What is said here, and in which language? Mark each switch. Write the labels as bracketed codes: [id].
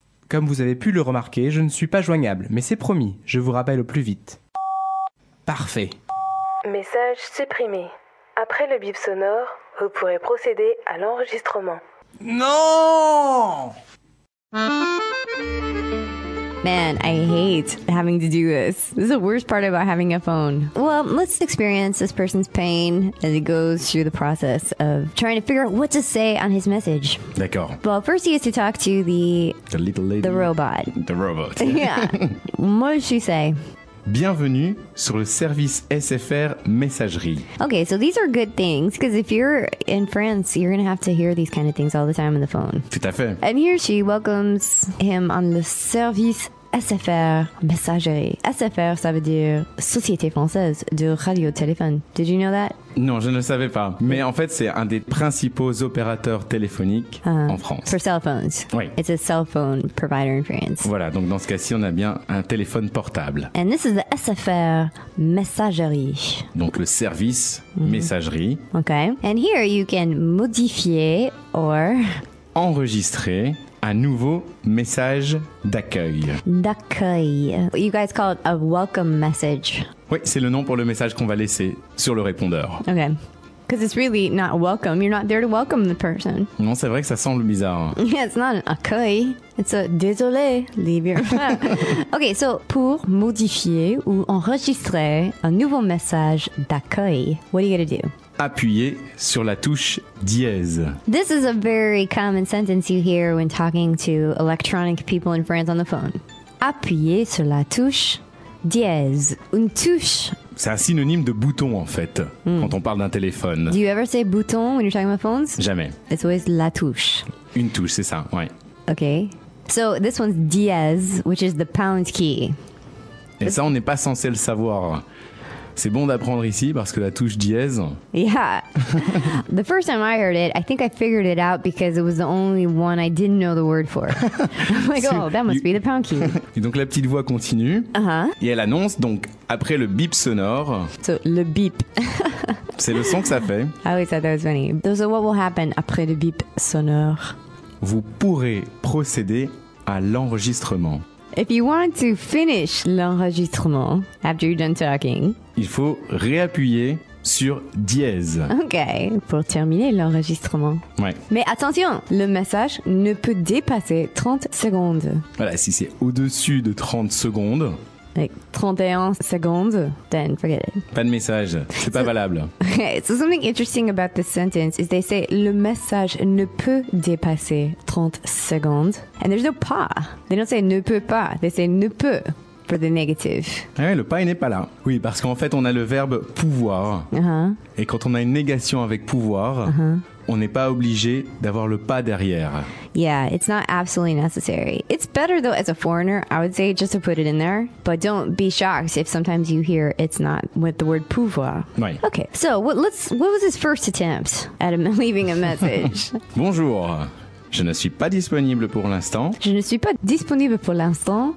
[fr] Comme vous avez pu le remarquer, je ne suis pas joignable, mais c'est promis, je vous rappelle au plus vite. Parfait. Message supprimé. Après le bip sonore, vous pourrez procéder à l'enregistrement. Non! [en] Man, I hate having to do this. This is the worst part about having a phone. Well, let's experience this person's pain as he goes through the process of trying to figure out what to say on his message. [fr] D'accord. [en] Well, first he has to talk to the little lady. The robot. The robot. Yeah. What does she say? [fr] Bienvenue sur le service SFR Messagerie. [en] Okay, so these are good things, because if you're in France, you're going to have to hear these kind of things all the time on the phone. [fr] Tout à fait. [en] And here she welcomes him on the service SFR Messagerie. [fr] SFR, ça veut dire Société Française de Radio Téléphone. [en] Did you know that? [fr] Non, je ne le savais pas. Mais en fait, c'est un des principaux opérateurs téléphoniques en France. [en] For cell phones. [fr] Oui. [en] It's a cell phone provider in France. [fr] Voilà, donc dans ce cas-ci, on a bien un téléphone portable. [en] And this is the SFR Messagerie. [fr] Donc le service messagerie. [en] Okay. And here you can modifier or... [fr] enregistrer... un nouveau message d'accueil. [en] D'accueil. You guys call it a welcome message. [fr] Oui, c'est le nom pour le message qu'on va laisser sur le répondeur. [en] Okay. Because it's really not welcome. You're not there to welcome the person. [fr] Non, c'est vrai que ça semble bizarre. [en] Yeah, it's not an accueil. It's a désolé, leave your... Okay, so [fr] pour modifier ou enregistrer un nouveau message d'accueil, [en] what are you going to do? [fr] Appuyez sur la touche dièse. [en] This is a very common sentence you hear when talking to electronic people in France on the phone. [fr] Appuyez sur la touche dièse. Une touche. C'est un synonyme de bouton, en fait, quand on parle d'un téléphone. [en] Do you ever say bouton when you're talking about phones? [fr] Jamais. [en] It's always la touche. [fr] Une touche, c'est ça, ouais. [en] Okay. So this one's dièse, which is the pound key. [fr] Et ça, on n'est pas censé le savoir. C'est bon d'apprendre ici parce que la touche dièse... [en] Yeah. The first time I heard it, I think I figured it out because it was the only one I didn't know the word for. I'm like, oh, that must be the pound key. [fr] Et donc la petite voix continue. Uh-huh. Et elle annonce donc après le bip sonore... So, le bip. C'est le son que ça fait. [en] I always thought that was funny. So what will happen [fr] après le bip sonore? Vous pourrez procéder à l'enregistrement. [en] If you want to finish l'enregistrement after you're done talking, [fr] il faut réappuyer sur dièse. Ok, pour terminer l'enregistrement. Ouais. Mais attention, le message ne peut dépasser 30 secondes. Voilà, si c'est au-dessus de 30 secondes. [en] Like 31 secondes, then forget it. [fr] Pas de message, c'est pas valable. [en] Okay, so something interesting about this sentence is they say [fr] le message ne peut dépasser 30 secondes. [en] And there's no pas. They don't say [fr] ne peut pas, [en] they say [fr] ne peut. [en] for the negative. [fr] Ah ouais, le pas n'est pas là. Oui, parce qu'en fait, on a le verbe pouvoir. Et quand on a une négation avec pouvoir, on n'est pas obligé d'avoir le pas derrière. [en] Yeah, it's not absolutely necessary. It's better though as a foreigner, I would say, just to put it in there. But don't be shocked if sometimes you hear it's not with the word pouvoir. [fr] Oui. [en] Okay, so what was his first attempt at leaving a message? [fr] Bonjour. Je ne suis pas disponible pour l'instant. Je ne suis pas disponible pour l'instant.